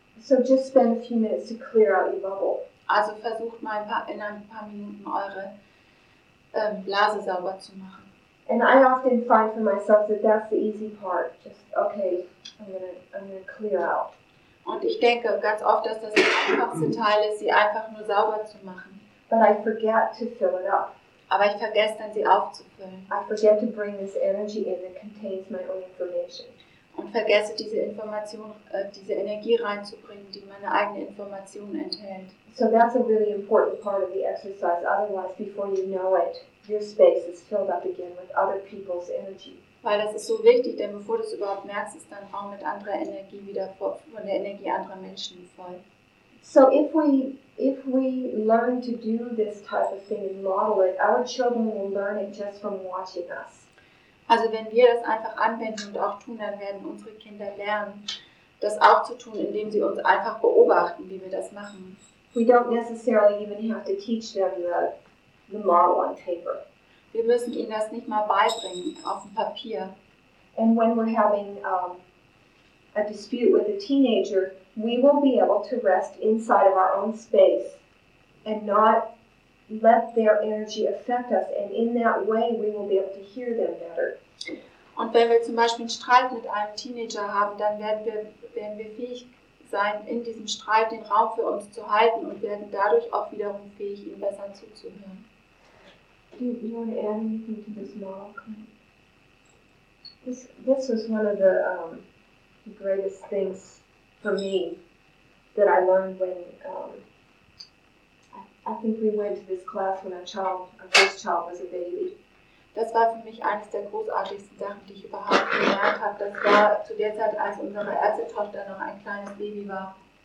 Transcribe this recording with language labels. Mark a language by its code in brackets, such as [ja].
[en] So just spend a few minutes to clear out your bubble. [de] Also versucht mal in ein paar Minuten eure Blase sauber zu machen. [en] And I often find for myself that that's the easy part. Just okay, I'm gonna clear out. [de] Und ich denke ganz oft, dass das einfachste Teil ist, sie einfach nur sauber zu machen. [en] But I forget to fill it up. [de] Aber ich vergesse dann, sie aufzufüllen. [en] I forget to bring this energy in that contains my own information. [de] Und vergesse diese Information, diese Energie reinzubringen, die meine eigene Information enthält. [en] So that's a really important part of the exercise. Otherwise, before you know it, your space is filled up again with other people's energy. [de] Weil das ist so wichtig, denn bevor du es überhaupt merkst, ist dein Raum mit anderer Energie wieder von der Energie anderer Menschen voll. [en] So if we learn to do this type of thing and model it, our children will learn it just from watching us. [de] Also wenn wir das einfach anwenden und auch tun, dann werden unsere Kinder lernen, das auch zu tun, indem sie uns einfach beobachten, wie wir das machen. [en] We don't necessarily even have to teach them the model on paper. [de] Wir müssen ihnen das nicht mal beibringen auf dem Papier. [en] And when we're having a dispute with a teenager, we will be able to rest inside of our own space and not let their energy affect us, and in that way we will be able to hear them better. [de] Und wenn wir zum Beispiel einen Streit mit einem Teenager haben, dann werden wir fähig sein, in diesem Streit den Raum für uns zu halten und werden dadurch auch wiederum fähig, ihm besser zuzuhören. [en] Do you want to add anything to this model? This was one of the greatest things for me that I learned when I think we went to this class when our first child was a baby. [de] Das war für mich eines der großartigsten Sachen, die ich überhaupt gelernt habe. Das war zu der Zeit, als unsere erste Tochter noch ein kleines Baby war.